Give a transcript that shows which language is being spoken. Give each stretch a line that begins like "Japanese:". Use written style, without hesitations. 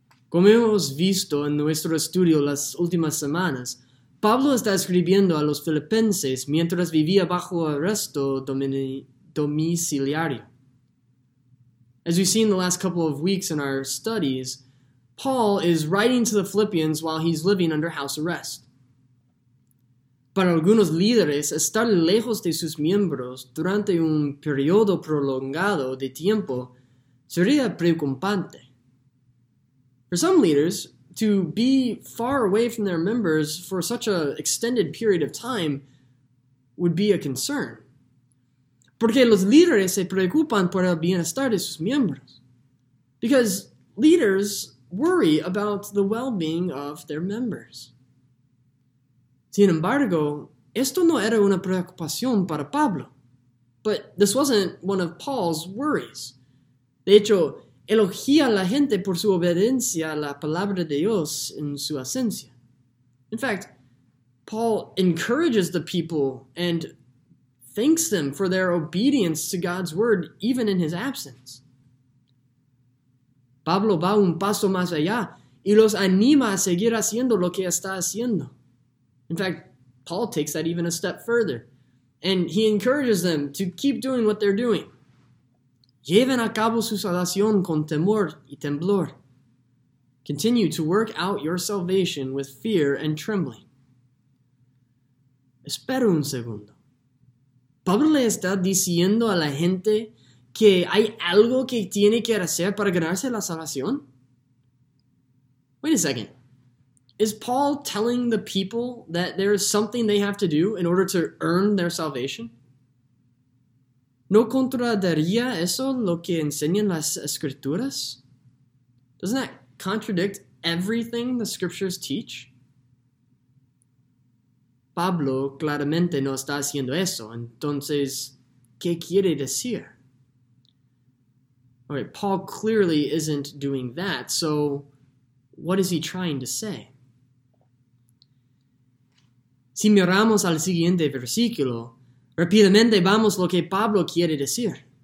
Spanish: Como hemos visto en nuestro estudio las últimas semanas, Pablo está escribiendo a los filipenses mientras vivía bajo arresto domiciliario.
English: As we've seen the last couple of weeks in our studies, Paul is writing to the Philippians while he's living under house arrest.
Spanish: Para algunos líderes, estar lejos de sus miembros durante un periodo prolongado de tiempo sería preocupante.
English: For some leaders, to be far away from their members for such an extended period of time would be a concern.
Spanish: Porque los líderes se preocupan por el bienestar de sus miembros.
English: Because leaders worry about the well-being of their members.
Spanish: Sin embargo, esto no era una preocupación para Pablo.
English: But this wasn't one of Paul's worries.
Spanish: De hecho, elogia a la gente por su obediencia a la palabra de Dios en su ausencia.
English: In fact, Paul encourages the people and thanks them for their obedience to God's word, even in his absence.
Spanish: Pablo va un paso más allá y los anima a seguir haciendo lo que está haciendo.
English: In fact, Paul takes that even a step further, and he encourages them to keep doing what they're doing.
Spanish: Lleven a cabo su salvación con temor y temblor.
English: Continue to work out your salvation with fear and trembling.
Spanish: Espera un segundo. ¿Pablo le está diciendo a la gente que hay algo que tiene que hacer para ganarse la salvación?
English: Wait a second. Is Paul telling the people that there is something they have to do in order to earn their salvation?
Spanish: ¿No contradaría eso lo que enseñan las escrituras?
English: Doesn't that contradict everything the scriptures teach?
Spanish: Pablo claramente no está haciendo eso. Entonces, ¿qué quiere decir?
English: All right, Paul clearly isn't doing that, so what is he trying to say?
Spanish: Si miramos al siguiente versículo, rápidamente vamos lo que Pablo quiere decir.